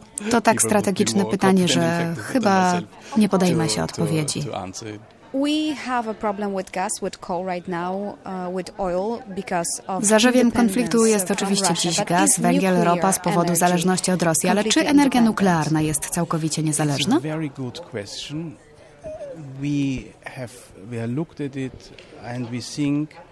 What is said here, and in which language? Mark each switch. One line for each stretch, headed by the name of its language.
Polish: To tak strategiczne pytanie, że chyba nie podejmę się odpowiedzi.
English: We have a problem with gas, with coal right now, with oil because of.
Polish: Zarzewiem konfliktu jest oczywiście dziś gaz, węgiel, ropa z powodu zależności od Rosji, ale czy energia nuklearna jest całkowicie niezależna?
English: It's a very good question. We have looked at it and we think.